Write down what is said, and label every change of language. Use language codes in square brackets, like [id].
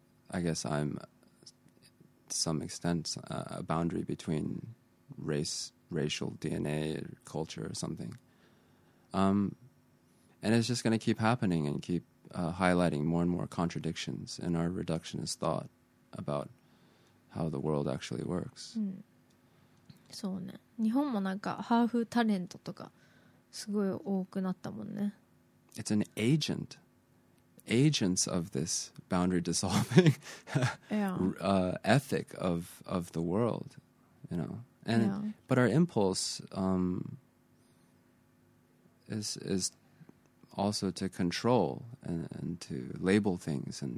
[en] I guess I'm, to some extent, a boundary between racial DNA or culture or something. And it's just going to keep happening and keep highlighting more and more contradictions in our reductionist thought about how the world actually works. [ja] そうね。日本もなんかハーフタレントとかすごい多くなったもんね。 [en] It's an agent. Agents of this boundary dissolving ethic of the world, you know. And, yeah. But our impulse is also to control and to label things.